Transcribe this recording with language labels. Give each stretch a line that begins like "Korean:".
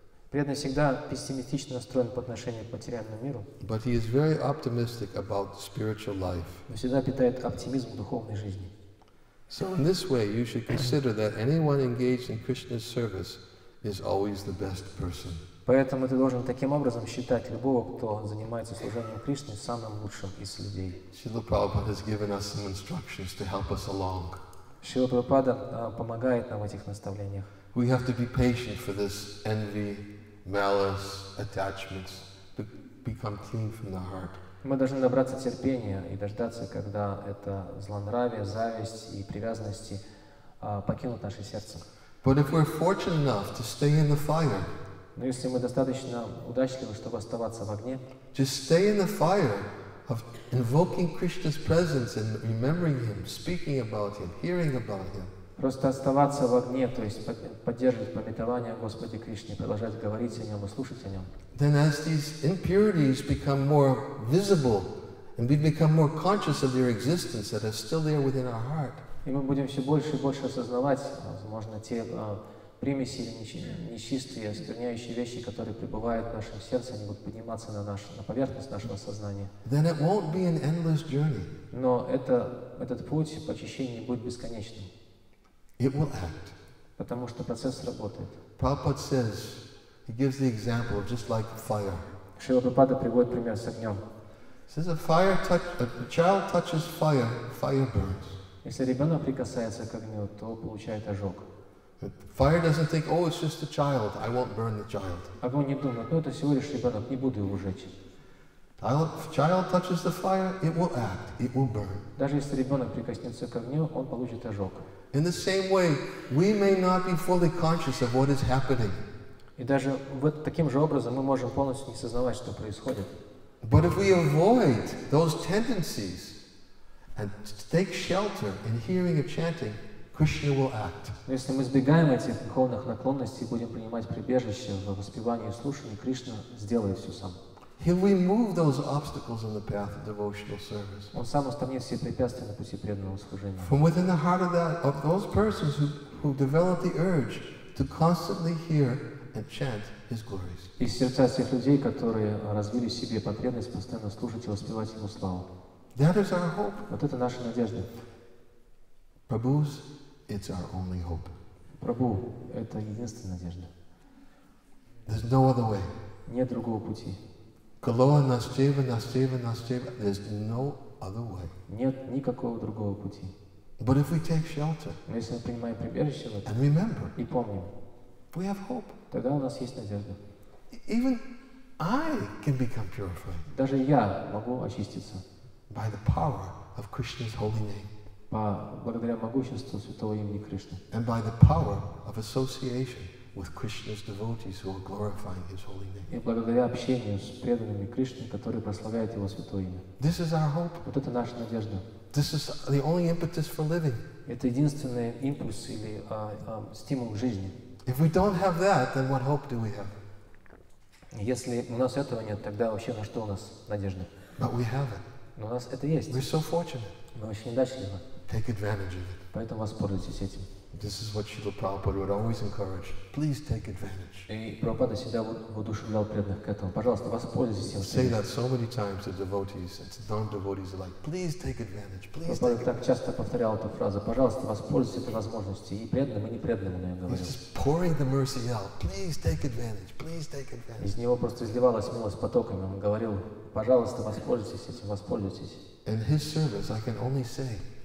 Russian: Преданный всегда пессимистично настроен по отношению к материальному миру.
English: But he is very optimistic about spiritual life.
Russian: Но всегда питает оптимизм духовной жизни.
English: So in this way, you should consider that anyone engaged in Krishna's service is always the best person.
Russian: Поэтому ты должен таким образом считать любого, кто занимается служением Кришне, самым лучшим из людей.
English: Шрила Прабхупада has given us some instructions to help us along.
Russian: Шрила Прабхупада помогает нам в этих наставлениях.
English: We have to be patient for this envy, malice, attachments to become clean from the heart.
Russian: Мы должны набраться терпения и дождаться, когда это злонравие, зависть и привязанности покинут наше сердце.
English: But if we're fortunate enough to stay in the fire.
Russian: Но если мы достаточно удачливы, чтобы оставаться в огне,
English: just stay in the fire of invoking Krishna's presence and remembering Him, speaking about Him, hearing about Him.
Russian: Просто оставаться в огне, то есть поддерживать памятование о Господе Кришне, продолжать говорить о Нем и слушать о Нем.
English: Then as these impurities become more visible and we become more conscious of their existence that are still there within our heart.
Russian: И мы будем все больше и больше осознавать, возможно, те примеси или нечистые, оскверняющие вещи, которые пребывают в нашем сердце, они будут подниматься на поверхность нашего сознания.
English: Then it won't be an endless journey.
Russian: Но этот путь по очищению будет бесконечным.
English: It will act.
Russian: Потому что процесс работает.
English: Prabhupada says, he gives the example just like fire.
Russian: Шрила Прабхупада приводит пример с огнем.
English: Says a child touches fire, fire burns.
Russian: Если ребенок прикасается к огню, то получает ожог.
English: Fire doesn't think, oh, it's just a child. I won't burn the child.
Russian: Огонь не думает, ну это всего лишь ребенок, не буду его жечь.
English: If a child touches the fire, it will act, it will burn.
Russian: Даже если ребенок прикоснется к огню, он получит ожог.
English: In the same way, we may not be fully conscious of what is happening.
Russian: И даже вот таким же образом мы можем полностью не сознавать, что происходит.
English: But if we avoid those tendencies and take shelter in hearing and chanting, Krishna will act.
Russian: Если мы избегаем этих духовных наклонностей и будем принимать прибежище в воспевании и слушании, Кришна сделает все сам.
English: He'll remove those obstacles in the path of devotional service.
Russian: Он сам устранит все препятствия на пути преданного служения.
English: From within the heart of that of those persons who develop the urge to constantly hear and chant His glories.
Russian: Из сердца тех людей, которые развили в себе потребность постоянно слушать и воспевать Его славу.
English: That is our hope.
Russian: Вот это наша надежда.
English: Prabhu, it's our only hope.
Russian: Прабу, это единственная надежда.
English: There's no other way.
Russian: Нет другого пути. Голова настева, настева, настева.
English: There's no other way.
Russian: Нет никакого другого пути.
English: But if we take shelter,
Russian: но если мы принимаем прибежище в этом,
English: and remember,
Russian: и помним,
English: we have hope.
Russian: Тогда у нас есть надежда.
English: Even I can become purified.
Russian: Даже я могу очиститься.
English: By the power of Krishna's holy name.
Russian: Благодаря могуществу святого имени Кришны.
English: And by the power of association with Krishna's devotees who are glorifying His holy name.
Russian: И благодаря общению с преданными Кришны, которые прославляют Его святое имя.
English: This is our hope.
Russian: Вот это наша надежда.
English: This is the only impetus for living.
Russian: Это единственный импульс или стимул к жизни.
English: If we don't have that, then what hope do we have?
Russian: Если у нас этого нет, тогда вообще на что у нас надежда?
English: But we have it.
Russian: Но у нас это есть.
English: We're so fortunate.
Russian: Мы очень удачливы.
English: Take advantage of it.
Russian: Поэтому воспользуйтесь этим.
English: This is what Srila Prabhupada would always encourage. Please take advantage.
Russian: И Прабхупада всегда воодушевлял преданных к этому. Пожалуйста, воспользуйтесь этим.
English: Say that so many times to devotees and to non-devotees alike. Please take advantage. Please take advantage.
Russian: Так часто повторял эту фразу. Пожалуйста, воспользуйтесь этой возможностью. И преданным, и непреданным он ее говорил.
English: He's just pouring the mercy out. Please take advantage. Please take advantage.
Russian: Из него просто изливалась милость потоками. Он говорил, пожалуйста, воспользуйтесь этим, воспользуйтесь.
English: In his service, I can only say.